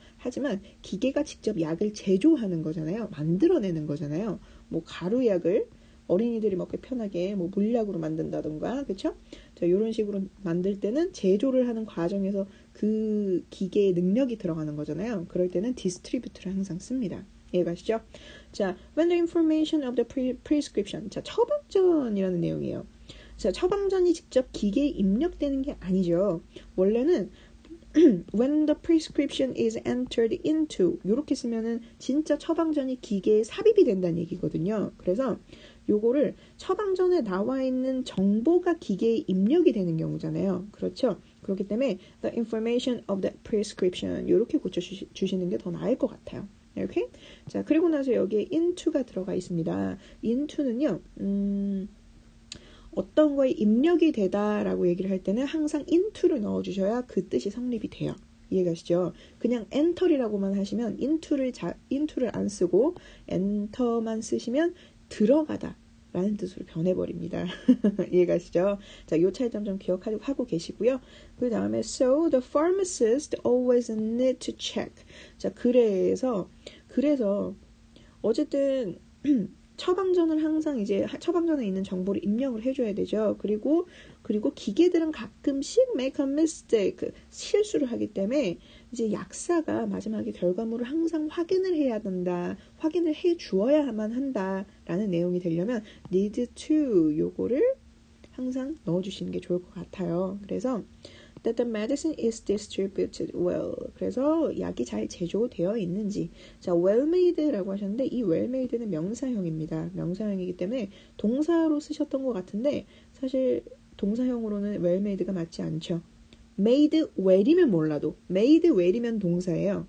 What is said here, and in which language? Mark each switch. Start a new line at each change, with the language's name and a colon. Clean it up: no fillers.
Korean: 하지만 기계가 직접 약을 제조하는 거잖아요. 만들어내는 거잖아요. 뭐 가루약을 어린이들이 먹기 편하게 뭐 물약으로 만든다던가 그렇죠? 자, 이런 식으로 만들 때는 제조를 하는 과정에서 그 기계의 능력이 들어가는 거잖아요. 그럴 때는 distribute를 항상 씁니다. 이해가시죠?
English: 자, when the information of the prescription, 자, 처방전이라는 내용이에요.
Korean: 자, 처방전이 직접 기계에 입력되는 게 아니죠. 원래는 when the prescription is entered into, 이렇게 쓰면은 진짜 처방전이 기계에 삽입이 된다는 얘기거든요. 그래서 요거를 처방전에 나와 있는 정보가 기계에 입력이 되는 경우잖아요. 그렇죠? 그렇기 때문에 the information of the prescription, 이렇게 고쳐주시는 게 더 나을 것 같아요. 이렇게 자 그리고 나서 여기에 into가 들어가 있습니다. into는요 어떤 거에 입력이 되다라고 얘기를 할 때는 항상 into를 넣어주셔야 그 뜻이 성립이 돼요. 이해가시죠? 그냥 enter이라고만 하시면 into를 안 쓰고 enter만 쓰시면 들어가다라는 뜻으로 변해버립니다. 이해가시죠? 자 요 차이점 좀 기억하고 하고 계시고요.
English: 그 다음에 so the pharmacist always need to check.
Korean: 자 그래서 어쨌든 처방전을 항상 이제 처방전에 있는 정보를 입력을 해줘야 되죠. 그리고 기계들은 가끔씩 make a mistake, 실수를 하기 때문에 이제 약사가 마지막에 결과물을 항상 확인을 해야 된다, 확인을 해주어야만 한다라는 내용이 되려면 need to 요거를 항상 넣어주시는 게 좋을 것 같아요.
English: 그래서 that the medicine is distributed well.
Korean: 그래서 약이 잘 제조되어 있는지. 자, well made라고 하셨는데 이 well made는 명사형입니다. 명사형이기 때문에 동사로 쓰셨던 것 같은데 사실 동사형으로는 well made가 맞지 않죠. made well이면 몰라도 made well이면 동사예요.